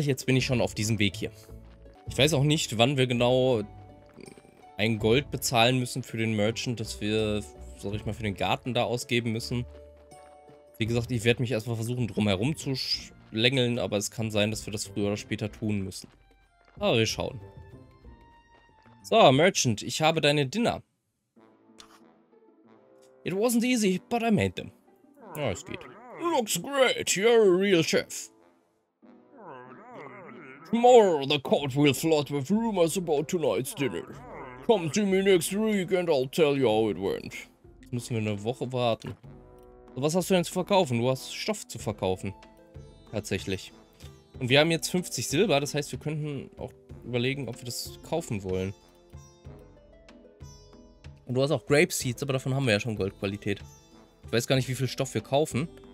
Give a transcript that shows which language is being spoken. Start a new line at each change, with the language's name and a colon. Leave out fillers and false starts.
German: Jetzt bin ich schon auf diesem Weg hier. Ich weiß auch nicht, wann wir genau ein Gold bezahlen müssen für den Merchant, dass wir, sag ich mal, für den Garten da ausgeben müssen. Wie gesagt, ich werde mich erstmal versuchen, drumherum zu schlängeln, aber es kann sein, dass wir das früher oder später tun müssen. Aber wir schauen. So, Merchant, ich habe deine Dinner.
English: It wasn't easy, but I made them.
German: Ja, es geht.
English: Looks great, you're a real chef. Tomorrow the court will flood with rumors about tonight's dinner. Come to me next week and I'll tell you how it went.
German: Jetzt müssen wir eine Woche warten. Was hast du denn zu verkaufen? Du hast Stoff zu verkaufen. Tatsächlich. Und wir haben jetzt 50 Silber, das heißt, wir könnten auch überlegen, ob wir das kaufen wollen. Und du hast auch Grape Seeds, aber davon haben wir ja schon Goldqualität. Ich weiß gar nicht, wie viel Stoff wir kaufen.